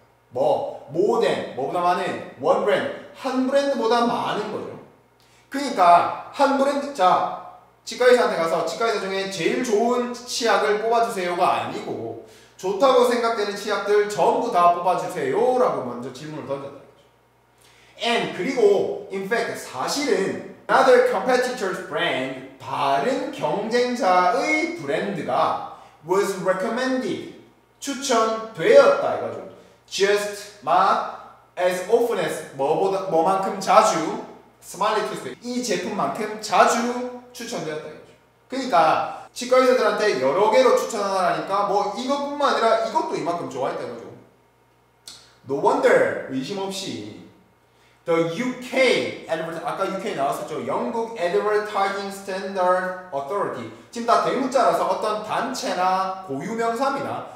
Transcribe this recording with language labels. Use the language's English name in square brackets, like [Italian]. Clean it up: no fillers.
[Korean] 뭐 [English] more than [Korean] 뭐보다 많은 [English] one brand [Korean] 한 브랜드보다 많은 거죠. 그러니까 한 브랜드 자 치과 의사한테 가서 치과 의사 중에 제일 좋은 치약을 뽑아주세요가 아니고 좋다고 생각되는 치약들 전부 다 뽑아주세요라고 먼저 질문을 던졌다. [English] And [Korean] 그리고 [English] in fact [Korean] 사실은 [English] another competitor's brand [Korean] 다른 경쟁자의 브랜드가 [English] was recommended [Korean] 추천되었다 이거죠. [English] Just as often as [Korean] 뭐보다 뭐만큼 자주 [English] smiley toothpaste [Korean] 이 제품만큼 자주 추천되었다 이거죠. 그러니까 치과 의사들한테 여러 개로 추천하라니까 뭐 이것뿐만 아니라 이것도 이만큼 좋아했다 이거죠. [English] No wonder [Korean] 의심 없이 [English] the UK advertising [Korean] 아까 UK 나왔었죠. 영국 [English] advertising standard authority [Korean] 지금 다 대문자라서 어떤 단체나 고유명사입니다.